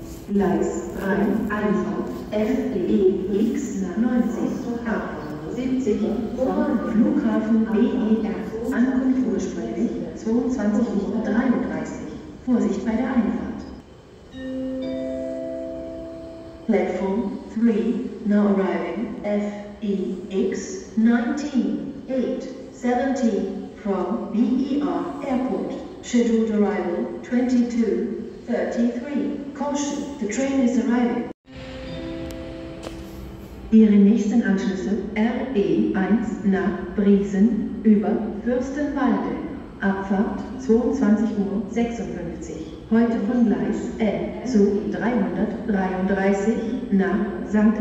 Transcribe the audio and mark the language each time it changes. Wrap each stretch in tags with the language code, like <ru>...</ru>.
<de>Gleis 3, Einfahrt, FDEX 90, 70, Flughafen BER, Ankunft ursprünglich, 22:33 Uhr, Vorsicht bei der Einfahrt.</de> <en>Platform 3, now arriving, FEX 19, 8, 17, from BER Airport, scheduled arrival 22:33. Caution, the train is arriving.</en> <de>Ihre nächsten Anschlüsse RE1 nach Briesen über Fürstenwalde, Abfahrt 22:56 Uhr. Heute von Gleis L zu 333 nach St.</de>